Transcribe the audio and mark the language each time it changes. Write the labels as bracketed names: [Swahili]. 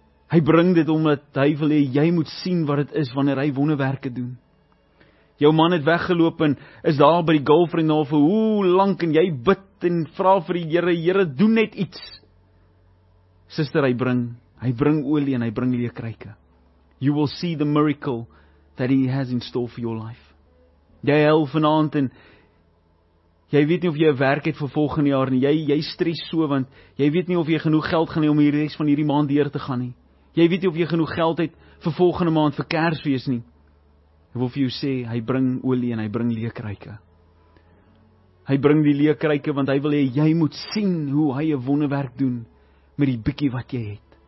[Afrikaans] Hy bring dit omdat hy wil hê, jy moet sien wat het is wanneer hy wonderwerke doen. Jou man het weggeloop en is daar by die girlfriend al vir hoe lank en jy bid en vra vir die Here, Here, doen net iets. Sister, hy bring olie en hy bring leekruike. [English] You will see the miracle that he has in store for your life. [Afrikaans] Jy huil vanaand en jy weet nie of jy 'n werk het vir volgende jaar nie. Jy stres so want jy weet nie of jy genoeg geld gaan hê om hierdie res van hierdie maand deur te gaan nie. Jy weet nie of jy genoeg geld het vir volgende maand vir Kersfees nie. Ek wil vir jou sê, hy bring olie en hy bring leekruike. Hy bring die leekruike, want hy wil hê, jy moet sien hoe hy 'n wonderwerk doen, met die bietjie wat jy het.